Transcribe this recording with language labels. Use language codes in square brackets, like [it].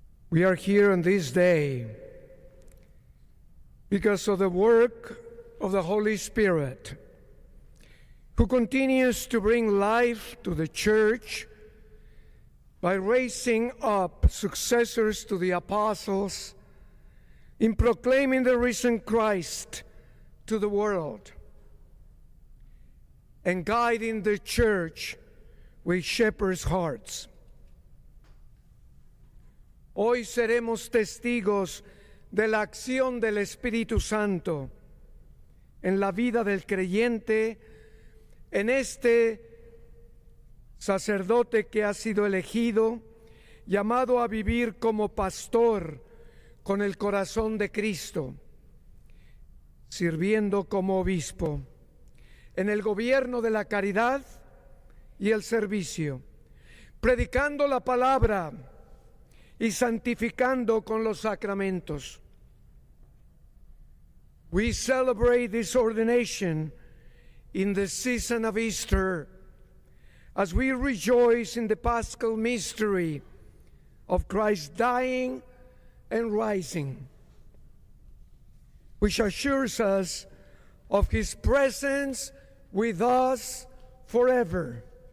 [en] We are here on this day because of the work of the Holy Spirit, who continues to bring life to the Church by raising up successors to the apostles in proclaiming the risen Christ to the world and guiding the Church with shepherd's hearts. [es] Hoy seremos testigos de la acción del Espíritu Santo en la vida del creyente, en este sacerdote que ha sido elegido, llamado a vivir como pastor con el corazón de Cristo, sirviendo como obispo en el gobierno de la caridad y el servicio, predicando la palabra y santificando con los sacramentos. [en] We celebrate this ordination in the season of Easter as we rejoice in the Paschal mystery of Christ dying and rising, which assures us of his presence with us forever.